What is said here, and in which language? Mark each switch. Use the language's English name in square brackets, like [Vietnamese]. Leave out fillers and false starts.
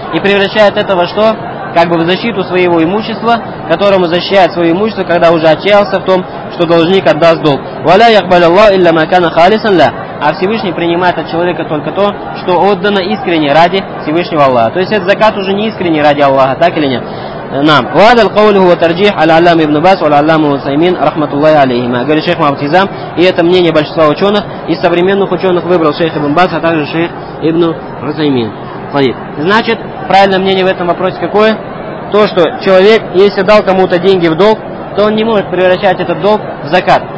[Russian] И превращает это во что? Как бы в защиту своего имущества, которому защищает свое имущество, когда уже отчаялся в том, что должник отдаст долг. [Arabic] Валя якбаляллах илля макана халисан ля. [Russian] А Всевышний принимает от человека только то, что отдано искренне ради Всевышнего Аллаха. То есть этот закат уже не искренне ради Аллаха, так или нет? [Arabic] Нам. وهذا القول هو ترجيح العلامة ابن باز والعلامة الصيمين رحمة الله عليهما. [Russian] Говорит шейх Мухаммад Изам, и это мнение большинства ученых и современных ученых выбрал шейх Ибн Баз, а также шейх Ибн Усаймин. Значит, правильное мнение в этом вопросе какое? То, что человек, если дал кому-то деньги в долг, то он не может превращать этот долг в закат.